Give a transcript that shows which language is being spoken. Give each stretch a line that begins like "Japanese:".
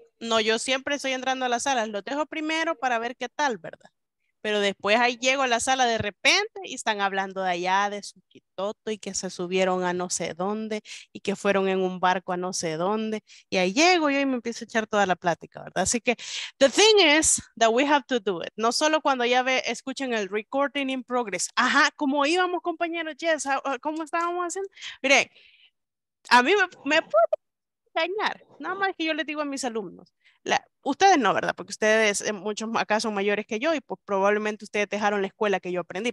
Spanish: No, yo siempre estoy entrando a las salas. Lo dejo primero para ver qué tal, ¿verdad? Pero después ahí llego a la sala de repente y están hablando de allá, de Suquitoto, y que se subieron a no sé dónde, y que fueron en un barco a no sé dónde. Y ahí llego yo y me empiezo a echar toda la plática, ¿verdad? Así que,
English: the thing is that we have to do it.
Spanish: No solo cuando ya escuchen el recording in progress. Ajá, ¿cómo íbamos, compañeros? Yes, ¿cómo estábamos haciendo? Mire, a mí me puede engañar. Nada más que yo les digo a mis alumnos. Ustedes no, ¿verdad? Porque ustedes muchos acá son mayores que yo y pues probablemente ustedes dejaron la escuela que yo aprendí.